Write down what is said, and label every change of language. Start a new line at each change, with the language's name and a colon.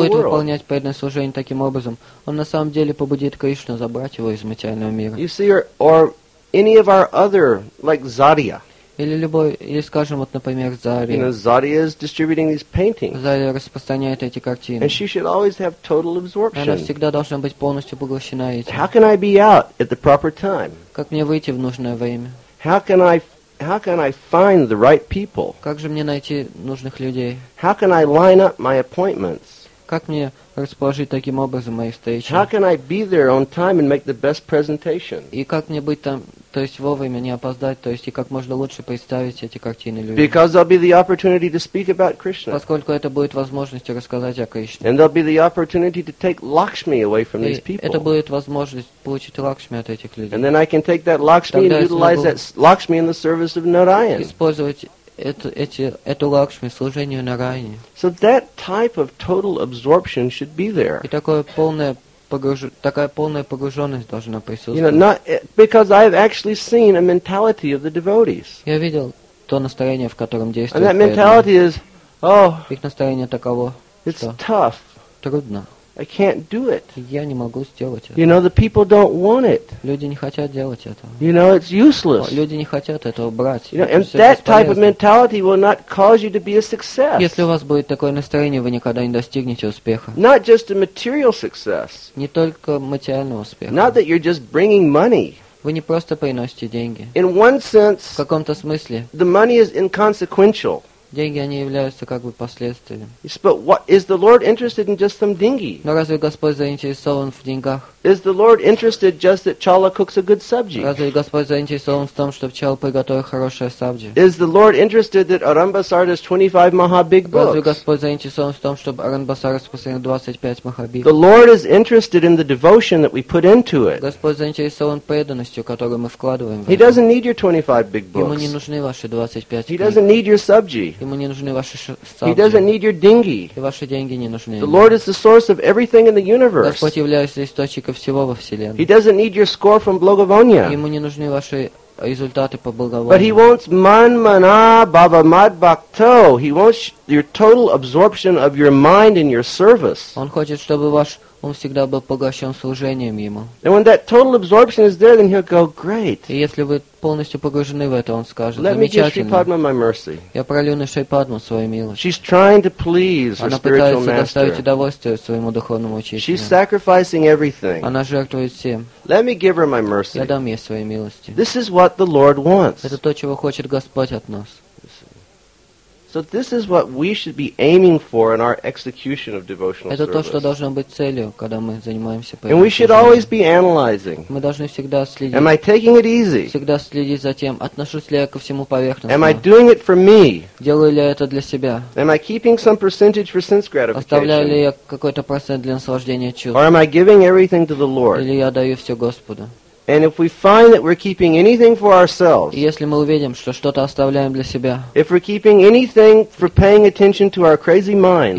Russian: Если он будет выполнять преданное служение таким образом, он на самом деле побудит Кришну забрать его из материального мира.
English: You see, or any of our other, like Zarya.
Russian: Или скажем, вот, например, Zarya.
English: You know, Zarya is distributing these paintings.
Russian: Zarya распространяет эти картины.
English: And she should always have total absorption.
Russian: Она всегда должна быть полностью поглощена этим.
English: How can I be out at the proper time?
Russian: Как мне выйти в нужное время?
English: How can I find the right people?
Russian: Как же мне найти нужных людей?
English: How can I line up my appointments?
Russian: Как мне расположить таким образом мои встречи?
English: How can I be there on time and make the best presentation?
Russian: И как мне быть там, то есть вовремя, не опоздать, то есть и как можно лучше представить эти картины людям?
English: Because there'll be the opportunity to speak about Krishna.
Russian: Поскольку это будет возможность рассказать о Кришне.
English: And there'll be the opportunity to take Lakshmi away from these people.
Russian: Это будет возможность получить Лакшми от этих людей.
English: And then I can take that Lakshmi and utilize that Lakshmi in the service of Narayan.
Russian: Использовать эту Лакшми, служению Нараяне.
English: So that type of total absorption should be there.
Russian: И такая полная погруженность должна присутствовать.
English: You know, not, because I have actually seen a mentality of the devotees.
Russian: Я видел то настроение, в котором действует.
English: And that mentality is, oh,
Russian: их настроение таково,
English: it's tough.
Russian: Трудно.
English: I can't do it.
Russian: Я не могу сделать это.
English: You know, the people don't want it.
Russian: Люди не хотят делать это.
English: You know, it's useless.
Russian: Люди не хотят этого брать.
English: You know, and that type of mentality will not cause you to be a success.
Russian: Если у вас будет такое настроение, вы никогда не достигнете успеха.
English: Not just a material success.
Russian: Не только материального успеха.
English: Not that you're just bringing money.
Russian: Вы не просто приносите деньги.
English: In one sense,
Russian: в каком-то смысле,
English: the money is inconsequential.
Russian: Деньги, они являются как бы последствием.
English: Yes, but what, is the Lord interested in just some dinghy?
Russian: Но разве Господь заинтересован в деньгах?
English: Is the Lord interested just that Chala cooks a good sabji?
Russian: Разве Господь заинтересован в том, чтобы Чала приготовил хорошее сабджи?
English: Is the Lord interested that Arambasar does 25 maha big books?
Russian: Разве Господь заинтересован в том, чтобы Арамбасар распространил 25 маха биг?
English: The Lord is interested in the devotion that we put into it.
Russian: Господь заинтересован преданностью, которую мы вкладываем в это.
English: He doesn't need your 25 big books.
Russian: Ему не нужны ваши 25 книг.
English: He doesn't need your sabji.
Russian: Ему не нужны ваши
English: He doesn't need your dinghy.
Russian: И ваши деньги не нужны.
English: The Lord is the source of everything in the universe.
Russian: Господь является источником всего во вселенной.
English: He doesn't need your score from Благовония.
Russian: Ему не нужны ваши результаты по Благовонию.
English: But he wants man mana baba mad bhakto. He wants your total absorption of your mind in your service.
Russian: Он хочет, чтобы ваш Он всегда был поглощен служением Ему.
English: And when that total absorption is there, then he'll go, great.
Russian: И если вы полностью погружены в это, он скажет,
English: Let
Russian: замечательно.
English: Let me give Shripadma my mercy.
Russian: Я пролью на Шрипадму свою милость.
English: She's trying to please her spiritual master.
Russian: Она пытается доставить удовольствие своему духовному учителю.
English: She's sacrificing everything.
Russian: Она жертвует всем.
English: Let me give her my mercy.
Russian: Я дам ей свои милости.
English: This is what the Lord wants.
Russian: Это то, чего хочет Господь от нас.
English: So this is what we should be aiming for in our execution of devotional service.
Russian: Это то, что должно быть целью, когда мы занимаемся по этому.
English: And we should always be analyzing.
Russian: Мы должны всегда следить.
English: Am I taking it easy?
Russian: Всегда следить за тем, отношусь ли я ко всему поверхностно.
English: Am I doing it for me?
Russian: Делаю ли я это для себя?
English: Am I keeping some percentage for sense gratification?
Russian: Оставляю ли я какой-то процент для наслаждения чувств?
English: Or am I giving everything to the Lord?
Russian: Или я даю все Господу?
English: And if we find that we're keeping anything for ourselves,
Russian: если мы увидим, что что-то оставляем для себя,
English: if we're keeping anything for paying attention to our crazy minds,